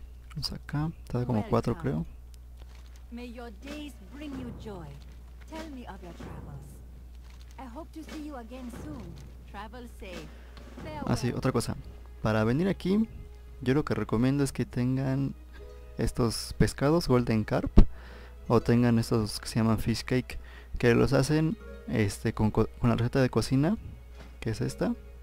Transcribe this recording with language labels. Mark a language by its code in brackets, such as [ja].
[es] Vamos acá, está como 4 creo. [en] May your days bring you joy. Tell me of your travels. I hope to see you again soon. Travel safe. [es] Ah, sí, otra cosa. Para venir aquí, yo lo que recomiendo es que tengan estos pescados, Golden Carp, o tengan estos que se llaman Fish Cake, que los hacen con la receta de cocina, que es esta.